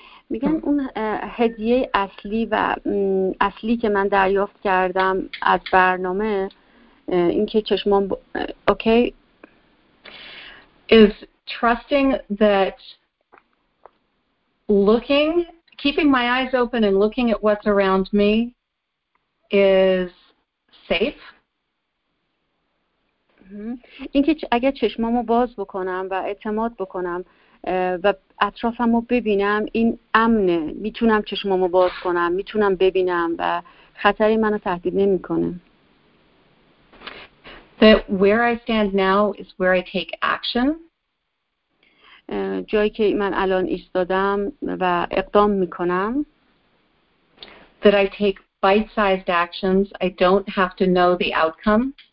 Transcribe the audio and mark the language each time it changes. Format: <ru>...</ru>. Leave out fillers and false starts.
<fa>میگن اون هدیه اصلی و اصلی که من دریافت کردم از برنامه این که چشمان اوکی</fa> <en>is trusting that looking, keeping my eyes open and looking at what's around me is safe.</en> <fa>این که اگه چشمامو باز بکنم و اعتماد بکنم و اطرافم رو ببینم، این امنه، میتونم چشمام رو باز کنم، میتونم ببینم و خطری منو تهدید نمی کنه.</fa> <en>That where I stand now is where I take action.</en> <fa>جایی که من الان ایستادم و اقدام میکنم.</fa> <en>That I take bite-sized actions, I don't have to know the outcome.</en>